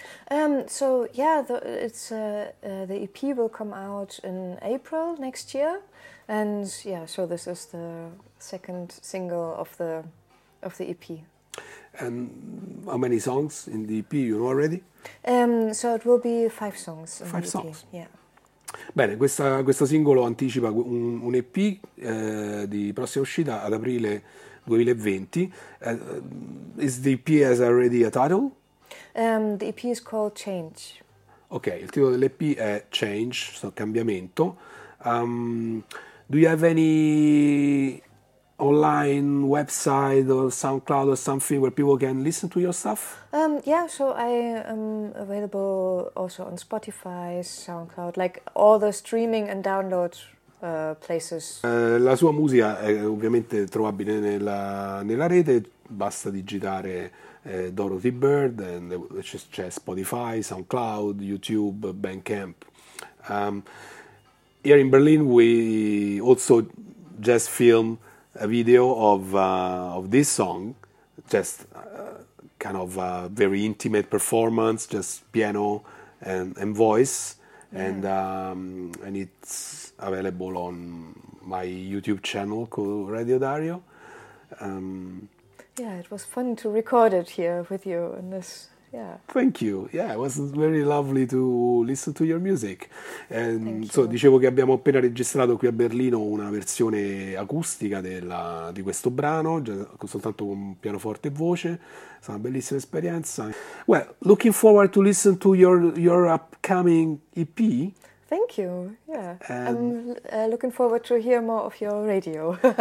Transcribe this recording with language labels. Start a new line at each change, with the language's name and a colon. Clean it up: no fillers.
English: The EP will come out in April next year. And yeah, so this is the second single of the EP. And how many songs in the EP you know already? So it will be 5 songs.
Italian: Bene, questo singolo anticipa un EP di prossima uscita ad aprile 2020.
English: Is the EP has already a title? The EP is called Change.
Italian: Ok, il titolo dell'EP è Change, so cambiamento.
English: Do you have any online website or SoundCloud or something where people can listen to your stuff? So I am available also on Spotify, SoundCloud, like all the streaming and download places.
Italian: La sua musica è ovviamente trovabile nella rete, basta digitare Dorothy Byrd, and c'è Spotify, SoundCloud, YouTube, Bandcamp.
English: Here in Berlin we also just film a video of this song, just kind of a very intimate performance, just piano and voice, and it's available on my YouTube channel called Radio Dario. It was fun to record it here with you in this. Yeah. Thank you. Yeah, it was very lovely to listen to your music.
Italian: Dicevo che abbiamo appena registrato qui a Berlino una versione acustica di questo brano, soltanto con pianoforte e voce. È stata una bellissima esperienza.
English: Well, looking forward to listen to your upcoming EP. Thank you. Yeah. I'm looking forward to hear more of your radio.